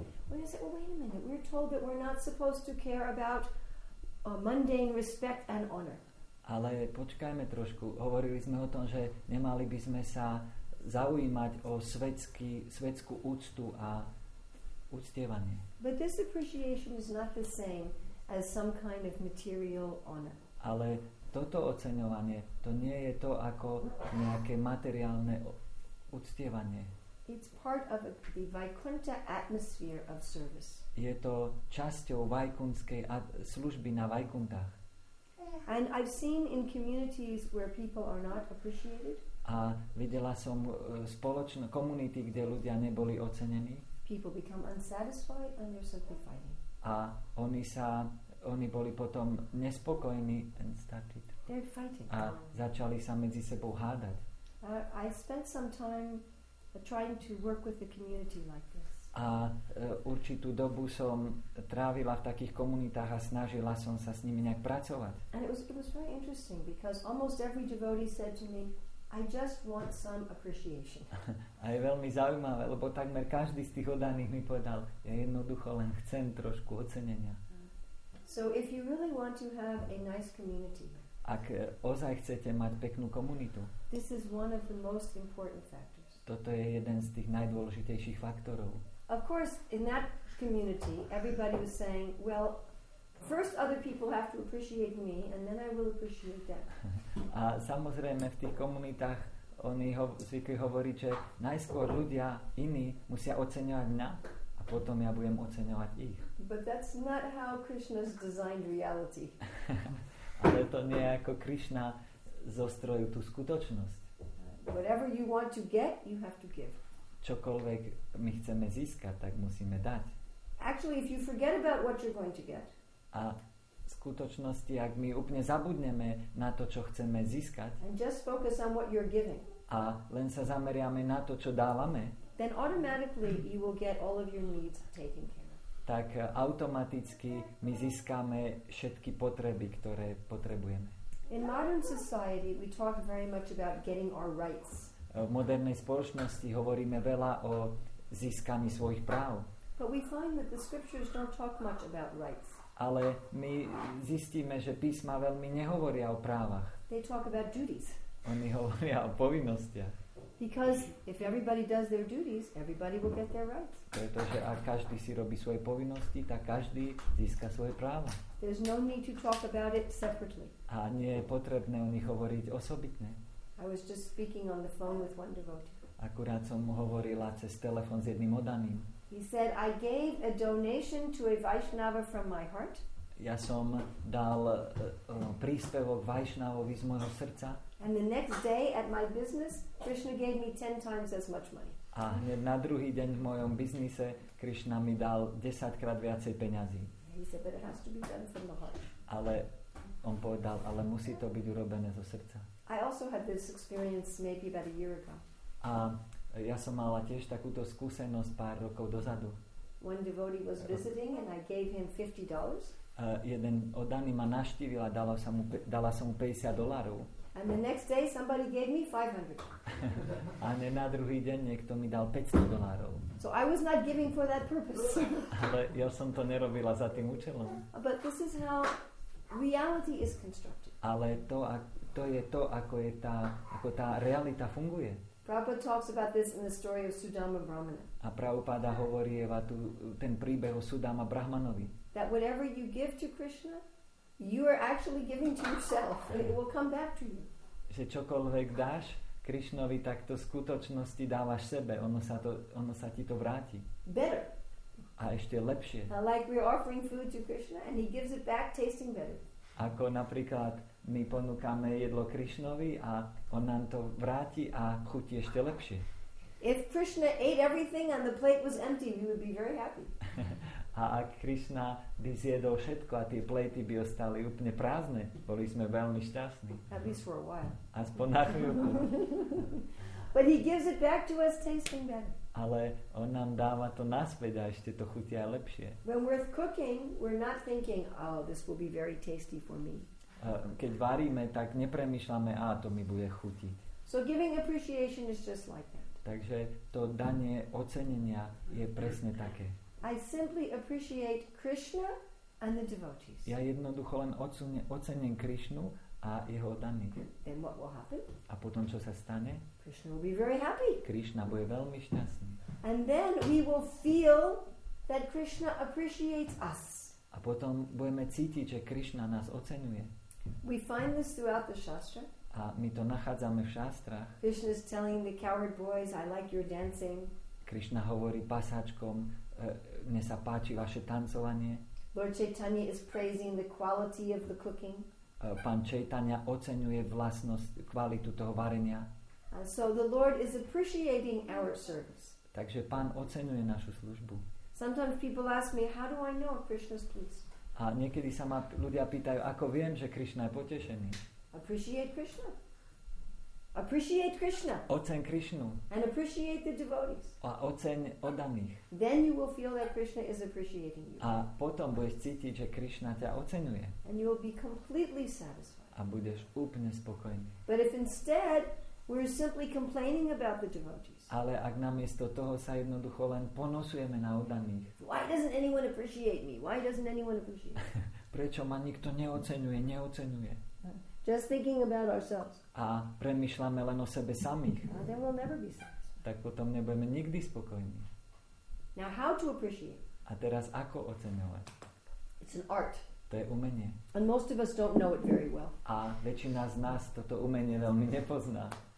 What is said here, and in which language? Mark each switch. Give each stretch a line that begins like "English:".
English: Well, said, well, wait a minute. We're told that we're not supposed to care about mundane respect and honor.
Slovak: Ale počkajme trošku. Hovorili sme o tom, že nemali by sme sa zaujímať o svetskú úctu a uctievanie.
English: But this appreciation is not the same as some kind of material honor.
Slovak: Ale toto oceňovanie, to nie je to ako nejaké materiálne uctievanie.
English: It's part of the Vaikuntha atmosphere of service.
Slovak: Je to časťou vaikunskej služby na Vaikuntách.
English: And I've seen in communities where people are not appreciated.
Slovak: A videla som spoločné komunity, kde ľudia neboli ocenení.
English: People become unsatisfied and they're simply fighting.
Slovak: A oni boli potom nespokojní
English: and started. They're fighting.
Slovak: A začali sa medzi sebou hádať.
English: I spent some time trying to work with the community like this.
Slovak: A určitú dobu som trávila v takých komunitách a snažila som sa s nimi nejak pracovať.
English: And it was very interesting because almost every devotee said to me, I just want some appreciation.
Slovak: A je veľmi zaujímavé, lebo takmer každý z tých oddaných mi povedal, ja jednoducho len chcem trošku ocenenia.
English: So if you really want to have a nice community.
Slovak: Ak ozaj chcete mať peknú komunitu.
English: This is one of the most important factors.
Slovak: Toto je jeden z tých najdôležitejších faktorov.
English: Of course, in that community, everybody was saying, well, first other people have to appreciate me, and then I will appreciate them.
Slovak: A samozrejme, v tých komunitách oni zvykli hovoriť, že najskôr ľudia iní musia oceňovať mňa, a potom ja budem oceňovať ich.
English: But that's not how Krishna's designed reality.
Slovak: Ale to nie je ako Krishna zostrojil tú skutočnosť.
English: Whatever you want to get, you have to give.
Slovak: Čokoľvek my chceme získať, tak musíme dať.
English: Actually, if you forget about what you're going to get.
Slovak: A v skutočnosti, ak my úplne zabudneme na to, čo chceme získať.
English: And just focus on what you're giving.
Slovak: A len sa zameriame na to, čo dávame.
English: Then automatically you will get all of your needs taken care of.
Slovak: tak automaticky my získame všetky potreby, ktoré potrebujeme.
English: In modern society, we talk very much about getting our rights.
Slovak: V modernej spoločnosti hovoríme veľa o získaní svojich práv.
English: But we find that the scriptures don't talk much about rights.
Slovak: Ale my zistíme, že písma veľmi nehovoria o právach.
English: They talk about duties.
Slovak: Oni hovoria o povinnostiach.
English: Because if everybody does their duties, everybody will get their rights.
Slovak: Pretože ak každý si robí svoje povinnosti, tak každý získa svoje práva.
English: There's no need to talk about it separately.
Slovak: A nie je potrebné o nich hovoriť osobitne.
English: I was just speaking on the phone with one devotee.
Slovak: Akurát som hovorila cez telefón s jedným oddaným.
English: He said, I gave a donation to a Vaishnava from my heart.
Slovak: Ja som dal príspevok Vaishnavovi z môjho srdca.
English: And the next day at my business, Krishna gave me 10 times as much money.
Slovak: A hneď na druhý deň v mojom biznise Krishna mi dal 10-krát viacej peňazí.
English: He said, but it has to be done from the heart.
Slovak: Ale on povedal, ale musí to byť urobené zo srdca.
English: I also had this experience maybe about a year ago.
Slovak: A ja som mala tiež takúto skúsenosť pár rokov dozadu.
English: One devotee was visiting and I gave him $50.
Slovak: Jeden oddaný ma navštívil a dala som mu $50.
English: And the next day somebody gave me $500.
Slovak: A ne na druhý deň niekto mi dal $500.
English: So I was not giving for that purpose.
Slovak: Ale ja som to nerobila za tým účelom.
English: But this is how reality is constructed.
Slovak: Ale to je to, ako tá realita funguje.
English: Prabhupada talks about this in the story of Sudama Brahmana.
Slovak: A Prabhupada hovorí ten príbeh o Sudama Brahmanovi.
English: That whatever you give to Krishna, you are actually giving to yourself. And it will come back to you.
Slovak: Že čokoľvek dáš Krishnovi, tak to v skutočnosti dávaš sebe. Ono sa ti to vráti.
English: Better.
Slovak: A ešte lepšie.
English: Like we're offering food to Krishna and he gives it back tasting better.
Slovak: Ako napríklad my ponúkame jedlo Krishnovi a on nám to vráti a chutí ešte lepšie.
English: If Krishna ate everything and the plate was empty, we would be very happy.
Slovak: A ak Krishna by zjedol všetko a tie plejty by ostali úplne prázdne, boli sme veľmi šťastní.
English: At least for a while.
Slovak: Aspoň na chvíľku.
English: But he gives it back to us tasting better.
Slovak: Ale on nám dáva to naspäť a ešte to chutí aj lepšie.
English: When we're cooking, we're not thinking, oh, this will be very tasty for me.
Slovak: Keď varíme, tak nepremýšľame, a to mi bude chutiť.
English: So giving appreciation is just like that.
Slovak: Takže to danie ocenenia je presne také.
English: I simply appreciate Krishna and the devotees.
Slovak: Ja jednoducho len ocením Krishnu a jeho oddaných.
English: Then what will happen?
Slovak: A potom čo sa stane?
English: Krishna will be very happy.
Slovak: Krishna bude veľmi šťastný.
English: And then we will feel that Krishna appreciates us.
Slovak: A potom budeme cítiť, že Krishna nás oceňuje.
English: We find this throughout the shastra.
Slovak: A my to nachádzame v šástrach.
English: Krishna is telling the coward boys, I like your dancing.
Slovak: Krishna hovorí pasáčkom, mne sa páči vaše tancovanie.
English: Lord Chaitanya is praising the quality of the cooking.
Slovak: Pán Chaitanya oceňuje vlastnosť, kvalitu toho varenia.
English: And so the Lord is appreciating our service.
Slovak: Takže Pán oceňuje našu službu.
English: Sometimes people ask me, how do I know Krishna's pleased?
Slovak: A niekedy sa ma ľudia pýtajú, ako viem, že Krishna je potešený.
English: Appreciate Krishna. Appreciate Krishna.
Slovak: Oceň Krishnu.
English: And appreciate the devotees.
Slovak: A oceň oddaných.
English: Then you will feel that Krishna is appreciating you.
Slovak: A potom budeš cítiť, že Krishna ťa oceňuje.
English: And you will be completely satisfied.
Slovak: A budeš úplne spokojný.
English: But if instead we're simply complaining about the devotees.
Slovak: Ale ak namiesto toho sa jednoducho len ponosujeme na oddaných.
English: Why doesn't anyone appreciate me? Why doesn't anyone appreciate me?
Slovak: Prečo ma nikto neoceňuje?
English: Just thinking about ourselves.
Slovak: A premýšľame len o sebe samých.
English: Well, then we'll never be satisfied.
Slovak: Tak potom nebudeme nikdy spokojní.
English: Now how to appreciate?
Slovak: A teraz ako oceňovať?
English: It's an art.
Slovak: To je umenie.
English: And most of us don't know it very well.
Slovak: A väčšina z nás toto umenie veľmi nepozná.